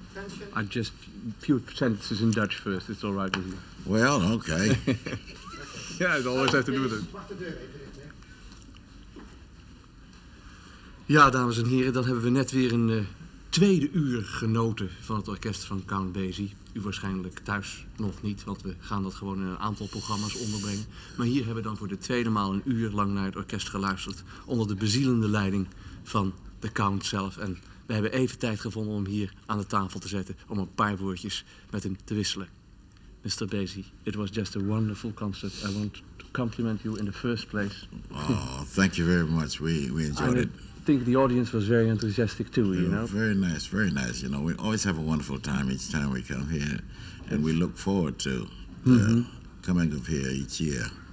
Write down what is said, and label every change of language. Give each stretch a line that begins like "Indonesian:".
English: Pension. I just few sentences in Dutch first, it's all right with you. Well, oké. Ja, it always have to do with it.
Dutch: Ja, dames en heren, dan hebben we net weer een tweede uur genoten van het orkest van Count Basie. U waarschijnlijk thuis nog niet, want we gaan dat gewoon in een aantal programma's onderbrengen. Maar hier hebben we dan voor de tweede maal een uur lang naar het orkest geluisterd. Onder de bezielende leiding van de Count zelf. En we hebben even tijd gevonden om hier aan de tafel te zetten. Om een paar woordjes met hem te wisselen.
English: Mr. Basie, it was just a wonderful concert. I want to compliment you in the first place. Oh, thank you very much. We enjoyed it. I think the audience was very enthusiastic too, you know. Very nice, very nice. You know, we always have a wonderful time each time we come here, and we look forward to coming up here each year.